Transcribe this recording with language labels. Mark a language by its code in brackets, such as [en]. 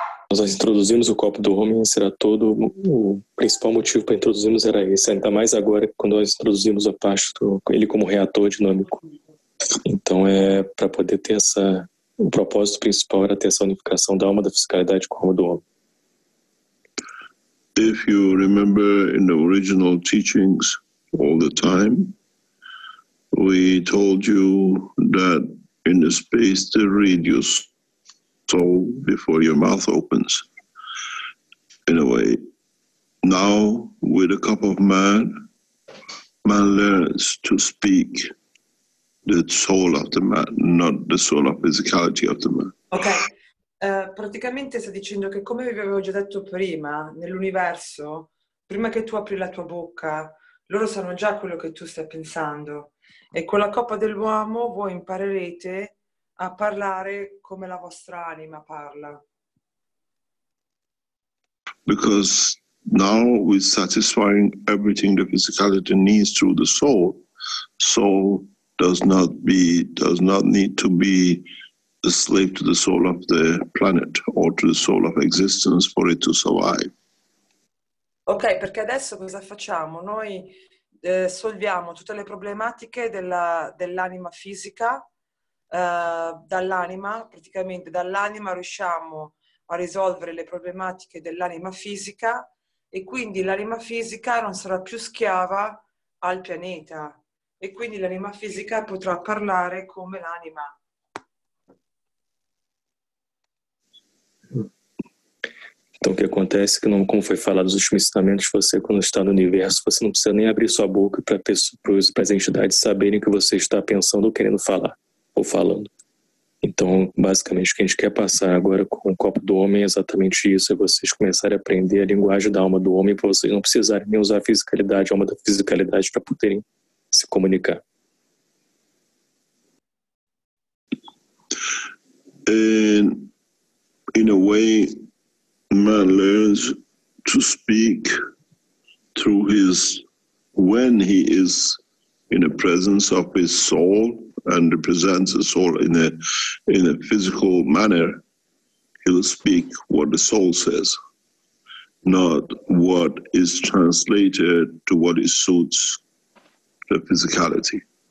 [pt] Nós introduzimos o copo do homem, será todo o principal motivo para introduzirmos era esse, ainda mais agora quando nós introduzimos a parte do ele como reator dinâmico. Então é para poder ter essa, o propósito principal era ter essa unificação da alma da fisicalidade com a alma do homem. [en] If you remember in the original teachings all the time, we told you that in the space the radius so before your mouth opens, in a way. Now, with a cup of man, man learns to speak the soul of the man, not the soul of physicality of the man. Ok. [it] Praticamente sta dicendo che, come vi avevo già detto prima, nell'universo, prima che tu apri la tua bocca, loro sanno già quello che tu stai pensando. E con la coppa dell'uomo voi imparerete a parlare come la vostra anima parla. [en] Because now we're satisfying everything the physicality needs through the soul. Soul does not need to be a slave to the soul of the planet or to the soul of existence for it to survive. [it] Ok, perché adesso cosa facciamo? Noi solviamo tutte le problematiche dell'anima fisica. Dall'anima, praticamente dall'anima riusciamo a risolvere le problematiche dell'anima fisica e quindi l'anima fisica non sarà più schiava al pianeta e quindi l'anima fisica potrà parlare come l'anima. [pt] Então, o que acontece é que, como foi falado nos últimos ensinamentos, você, quando está no universo, você não precisa nem abrir sua boca para as entidades saberem que você está pensando ou querendo falar. Ou falando. Então, basicamente, o que a gente quer passar agora com o copo do homem é exatamente isso, é vocês começarem a aprender a linguagem da alma do homem para vocês não precisarem nem usar a fisicalidade, a alma da fisicalidade, para poderem se comunicar. [en] And in a way, man learns to speak through his, when he is in the presence of his soul, and represents the soul in a physical manner, he'll speak what the soul says, not what is translated to what it suits the physicality.